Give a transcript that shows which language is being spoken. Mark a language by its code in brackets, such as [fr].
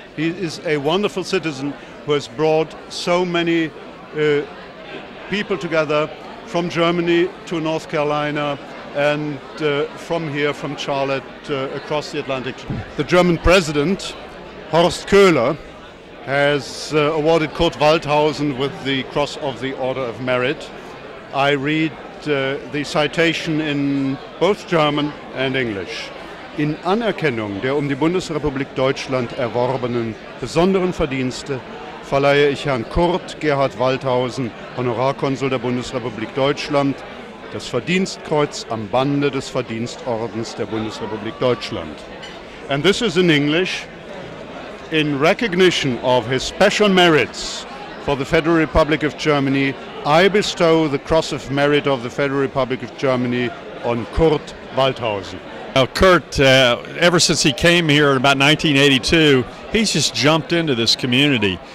[en] He is a wonderful citizen who has brought so many people together from Germany to North Carolina, and from here, from Charlotte, across the Atlantic. The German president, Horst Köhler, has awarded Kurt Waldthausen with the Cross of the Order of Merit. I read the citation in both German and English. [de] In Anerkennung der um die Bundesrepublik Deutschland erworbenen besonderen Verdienste verleihe ich Herrn Kurt Gerhard Waldthausen, Honorarkonsul der Bundesrepublik Deutschland, das Verdienstkreuz am Bande des Verdienstordens der Bundesrepublik Deutschland. [en] And this is in English. In recognition of his special merits for the Federal Republic of Germany, I bestow the Cross of Merit of the Federal Republic of Germany on Kurt Waldthausen. Now, Kurt, ever since he came here in about 1982, he's just jumped into this community.